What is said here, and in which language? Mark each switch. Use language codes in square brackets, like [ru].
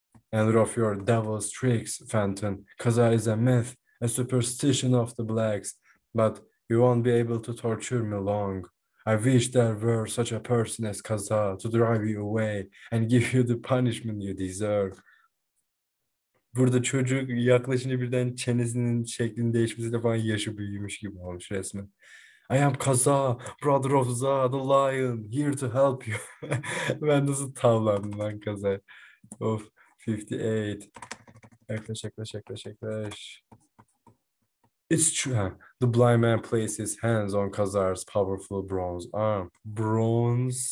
[en] End of your devil's tricks, Fenton. Kaza is a myth, a superstition of the blacks. But you won't be able to torture me long. I wish there were such a person as Kaza to drive you away and give you the punishment you deserve. [tr] Burada çocuk yaklaşınca birden çenesinin şeklini değişmesi de falan yaşı büyümüş gibi olmuş resmen. [en] I am Kaza, brother of Za, the lion, here to help you. [tr] Ben nasıl tavlandım lan Kaza? Of, 58. Yaklaş yaklaş yaklaş yaklaş. [en] It's true. The blind man placed his hands on Khazar's powerful bronze arm. Bronze.